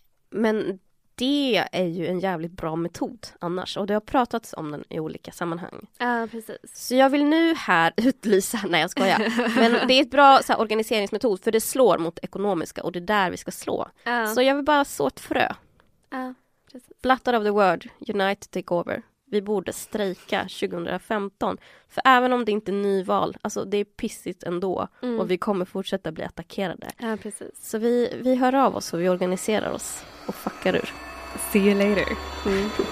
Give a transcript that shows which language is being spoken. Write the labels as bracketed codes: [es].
[sv] Men det är ju en jävligt bra metod annars. Och det har pratats om den i olika sammanhang. Ja, precis. Så jag vill nu här utlysa... Nej, jag skojar. Men det är ett bra så här, organiseringsmetod, för det slår mot ekonomiska. Och det är där vi ska slå. Så jag vill bara så ett frö. [en] Blattar of the world, unite, take over. [sv] Vi borde strejka 2015. För även om det inte är nyval, alltså det är pissigt ändå. Och vi kommer fortsätta bli attackerade. Ja, precis. Så vi hör av oss och vi organiserar oss och fuckar ur. [en] See you later. Mm.